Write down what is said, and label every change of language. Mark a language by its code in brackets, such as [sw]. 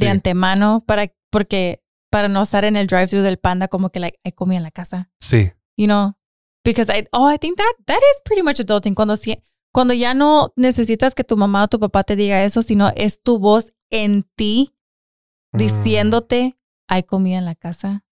[es] De antemano para no estar en el drive-thru del Panda como que, like, I comí en la casa. Sí. [en] You know, because I think that is pretty much adulting. [es] Cuando ya no necesitas que tu mamá o tu papá te diga eso, sino es tu voz en ti diciéndote, I comí en la casa.